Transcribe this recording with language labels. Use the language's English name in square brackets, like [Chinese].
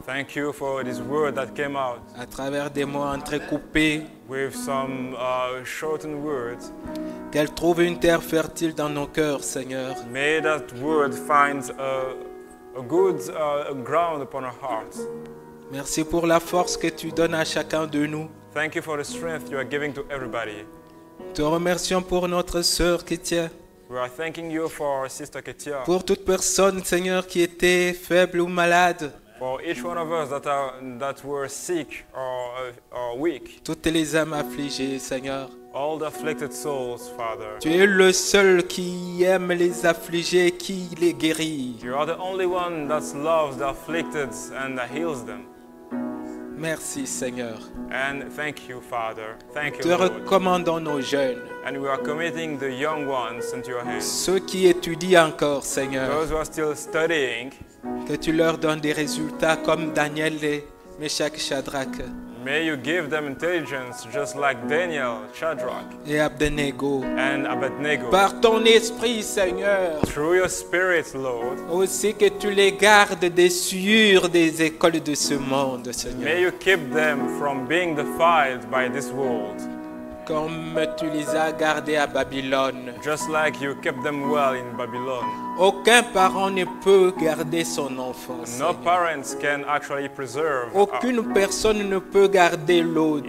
[English] Thank you for this word that came out. [French] À travers des mots entrecoupés. [English] With some shortened words. [French] Qu'elle trouve une terre fertile dans nos cœurs, Seigneur. [English] May that word find a good ground upon our hearts. [French] Merci pour la force que tu donnes à chacun de nous. [English] Thank you for the strength you are giving to everybody. [French] Te remercions pour notre sœur Kétia. [English] We are thanking you for our sister Kétia. [French] Pour toute personne, Seigneur, qui était faible ou malade. [English] For each one of us that were sick or weak. [French] Toutes les âmes affligées, Seigneur. [English] All the afflicted souls, Father. [French] Tu es le seul qui aime les affligés, qui les guérit. [English] You are the only one that loves the afflicted and that heals them. [French] Merci, Seigneur. [English] And thank you, Father. Thank you, Lord. [French] Te recommandons nos jeunes. [English] And we are committing the young ones into your hands. [French] Ceux qui étudient encore, Seigneur. [English] Those who are still studying. [French] Que tu leur donnes des résultats comme Daniel et Meshach et Shadrach. [English] May you give them intelligence just like Daniel, Shadrach, [French] et Abednego. [English] And Abednego. [French] Par ton esprit, Seigneur. [English] Through your spirit, Lord. [French] Aussi que tu les gardes des souillures des écoles de ce monde, Seigneur. [English] May you keep them from being defiled by this world. [French] Comme tu les as gardés à Babylone. [English] Just like you kept them well in Babylon. [French] Aucun parent ne peut garder son enfant. [English] No parents can actually preserve. [French] Aucune personne ne peut garder l'autre.